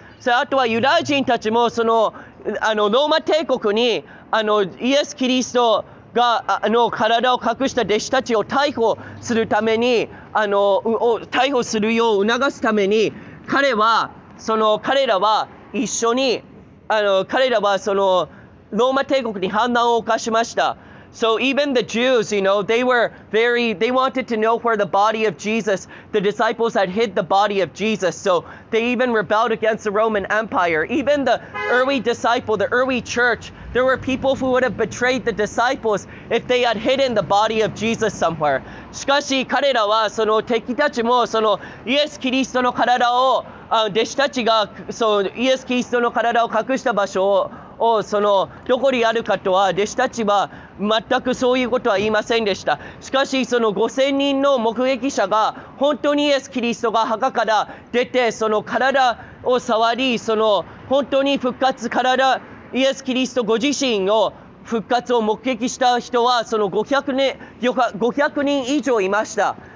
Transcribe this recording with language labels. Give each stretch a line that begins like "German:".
Japanese: それあとはユダヤ人たちもあのローマ帝国にイエスキリストがの体を隠した弟子たちを逮捕するために逮捕するよう促すために彼らは一緒に彼らはそのローマ帝国に反乱を犯しました。
English: So even the Jews, you know, they wanted to know where the body of Jesus, the disciples had hid the body of Jesus. So they even rebelled against the Roman Empire. Even the early disciple, the early church, there were people who would have betrayed the disciples if they had hidden the body of Jesus somewhere.
Japanese: しかし彼らはその敵たちもそのイエス・キリストの体を、弟子たちがそのイエス・キリストの体を隠した場所をそのどこにあるかとは弟子たちは全くそういうことは言いませんでした。しかしその5000人の目撃者が本当にイエス・キリストが墓から出てその体を触りその本当に復活体イエス・キリストご自身を復活を目撃した人はその500人以上いました。